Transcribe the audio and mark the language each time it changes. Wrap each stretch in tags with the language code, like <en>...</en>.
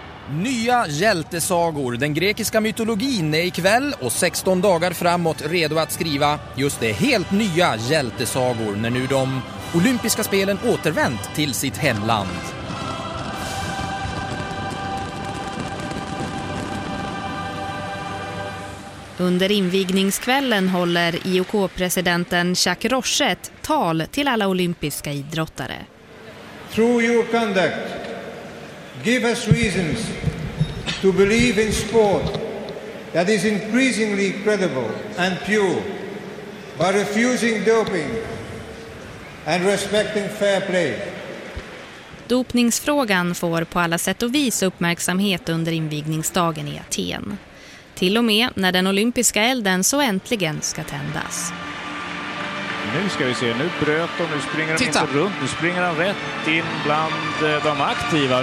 <sv>Nya hjältesagor, den grekiska mytologin är ikväll och 16 dagar framåt redo att skriva just det helt nya hjältesagor när nu de olympiska spelen återvänt till sitt hemland. Under invigningskvällen håller IOK-presidenten Jacques Roche ett tal till alla olympiska idrottare.</sv> <en>Through your conduct, give us reasons to believe in sport that is increasingly credible and pure by refusing doping and respecting fair play.</en> <sv>Dopningsfrågan får på alla sätt och vis uppmärksamhet under invigningsdagen i Aten. Till och med när den olympiska elden så äntligen ska tändas. Nu ska vi se, nu bröt och nu springer han inte runt. Nu springer han rätt in bland de aktiva.</sv>